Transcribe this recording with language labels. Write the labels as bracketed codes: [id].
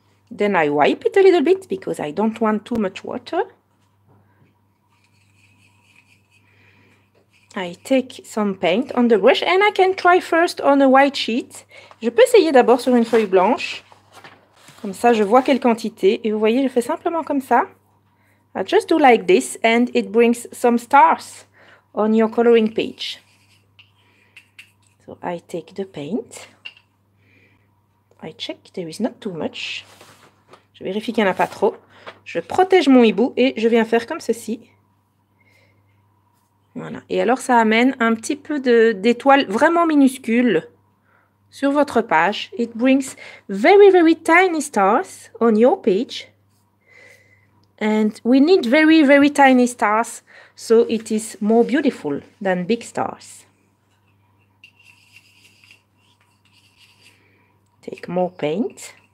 [en] Then I wipe it a little bit because I don't want too much water. I take some paint on the brush and I can try first on a white sheet. [fr] Je peux essayer d'abord sur une feuille blanche. Comme ça, je vois quelle quantité. Et vous voyez, je fais simplement comme ça. [en] I just do like this and it brings some stars on your coloring page. So I take the paint. I check there is not too much. [fr] Je vérifie qu'il n'y en a pas trop. Je protège mon hibou et je viens faire comme ceci. Voilà. Et alors, ça amène un petit peu d'étoiles vraiment minuscules sur votre page. [en] It brings very, very tiny stars on your page. And we need very, very tiny stars, so it is more beautiful than big stars. Take more paint.